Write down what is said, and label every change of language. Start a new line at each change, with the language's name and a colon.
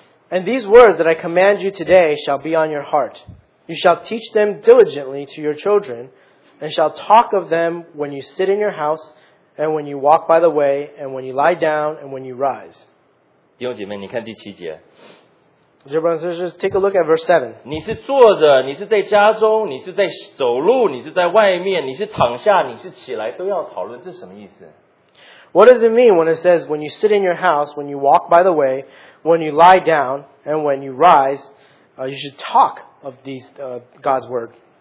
English: And these words that I command you today shall be on your heart. You shall teach them diligently to your children, and shall talk of them when you sit in your house, and when you walk by the way, and when you lie down, and when you rise.
Chinese: 弟兄姐妹,你看第七节。
English: Dear brothers and sisters, take a look at verse 7.
Chinese: 你是坐着,你是在家中,你是在走路,你是在外面,你是躺下,你是起来,都要讨论,这什么意思?
English: What does it mean when it says, when you sit in your house, when you walk by the way, when you lie down, and when you rise, you should talk of these God's word?